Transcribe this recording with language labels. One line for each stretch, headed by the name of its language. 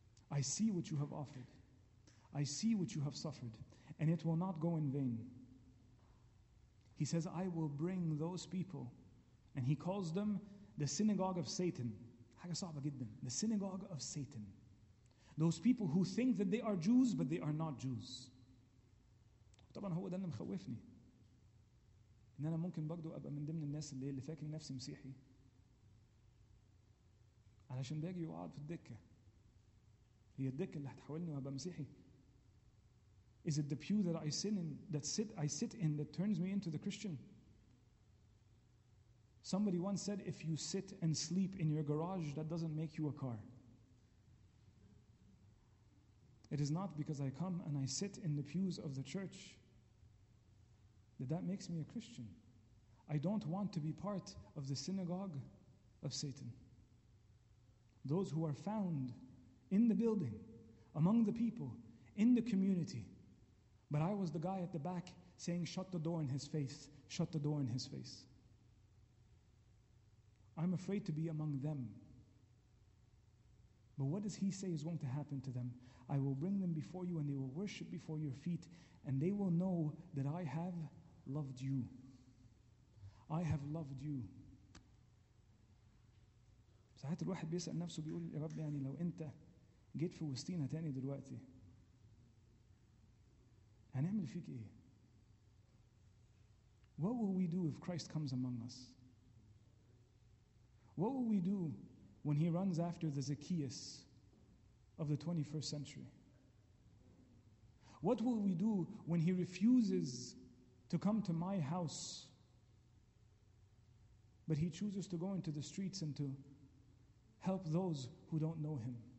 English: I see what you have offered. I see what you have suffered, and it will not go in vain. He says, I will bring those people And he calls them the synagogue of Satan.
Arabic: حاجة صعبة جدا.
English: The synagogue of Satan. Those people who think that they are Jews, but they are not Jews.
Arabic: طبعا هو ده اللي مخوفني. إن أنا ممكن برضو أبقى من ضمن الناس اللي فاكر نفسي مسيحي. علشان باجي وقعد في الدكة. هي الدكة اللي هتحولني وهبقى مسيحي.
English: Is it the pew that I sit in, that turns me into the Christian? Somebody once said, if you sit and sleep in your garage, that doesn't make you a car. It is not because I come and I sit in the pews of the church that makes me a Christian. I don't want to be part of the synagogue of Satan. Those who are found in the building, among the people, in the community. But I was the guy at the back saying, shut the door in his face, shut the door in his face. I'm afraid to be among them. But what does he say is going to happen to them? I will bring them before you and they will worship before your feet and they will know that I have loved you. I have loved you.
Arabic: ساعات الواحد بيسأل نفسه بيقول يا رب يعني لو انت جيت في وسطينا تاني دلوقتي هنعمل فيك ايه؟
English: What will we do if Christ comes among us? What will we do when he runs after the Zacchaeus of the 21st century? What will we do when he refuses to come to my house, but he chooses to go into the streets and to help those who don't know him?